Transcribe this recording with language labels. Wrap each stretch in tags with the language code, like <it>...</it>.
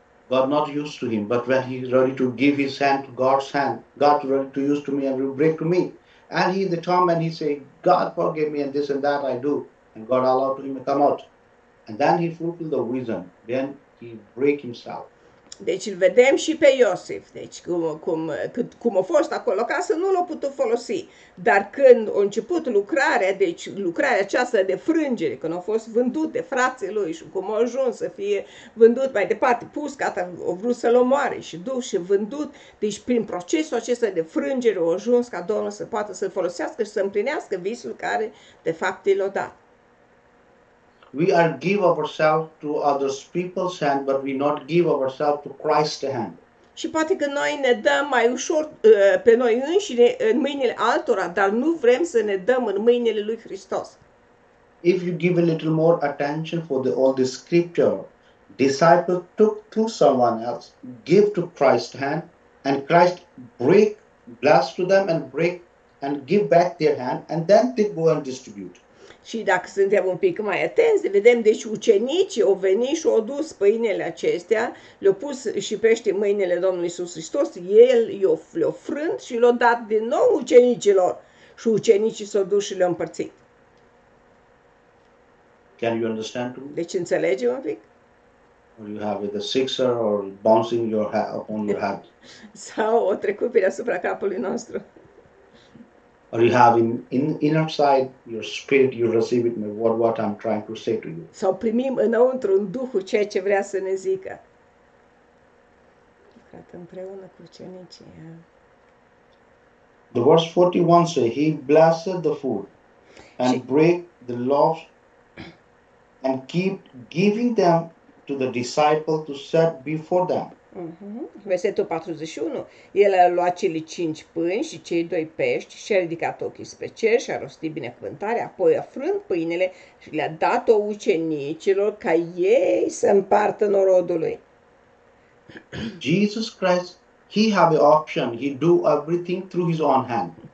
<en>God not used to him, but when he is ready to give his hand to God's hand, God ready to use to me and will break to me. And he the time and he say, God forgive me and this and that I do. And God allowed to him to come out. And then he fulfilled the wisdom. Then he break himself.</en> <ro>Deci îl vedem și pe Iosif, deci cum a fost acolo acasă, nu l-a putut folosi, dar când a început lucrarea, deci lucrarea aceasta de frângere, când a fost vândut de frații lui și cum a ajuns să fie vândut mai departe, pus, gata, a vrut să-l omoare și dus și vândut, deci prin procesul acesta de frângere a ajuns ca Domnul să poată să-l folosească și să împlinească visul care de fapt i-l-a dat.</ro> <en>We are give ourselves to other people's hand, but we not give ourselves to Christ's hand.</en> <ro>Și poate că noi ne dăm mai ușor pe noi înșine în mâinile altora, dar nu vrem să ne dăm în mâinile lui Hristos.</ro> <en>If you give a little more attention for all the scripture, Disciple took to someone else, give to Christ's hand, and Christ break, bless to them and break and give back their hand, and then they go and distribute.</en> <ro>Și dacă suntem un pic mai atenți, vedem, deci ucenicii au venit și au dus pâinele acestea, le-au pus și pește în mâinile Domnului Iisus Hristos, el le-a frânt și le-a dat din nou ucenicilor. Și ucenicii s-au dus și le-au împărțit.</ro> <en>Can you understand to me?</en> <ro>Deci înțelegem un pic?</ro> <en>Or you have with a sixer or bouncing your hat on your head.</en> <ro>Sau o trecut pe deasupra capului nostru.</ro> <en>Or you have in inner side your spirit, you receive it in what I'm trying to say to you.</en> <ro>Sau primim înăuntru în Duhul ceea ce vrea să ne zică. Frate, împreună cu ucenicii.</ro> <en>The verse 41 says, he blessed the food and break the loaves and keep giving them to the disciple to set before them.</en> <ro>Versetul 41. El a luat cele 5 pâini și cei 2 pești și a ridicat ochii spre cer și a rostit binecuvântarea, apoi a frânt pâinele și le-a dat-o ucenicilor ca ei să împartă norodul lui.</ro> <en>Jesus Christ, he have an option. He do everything through his own hand.</en>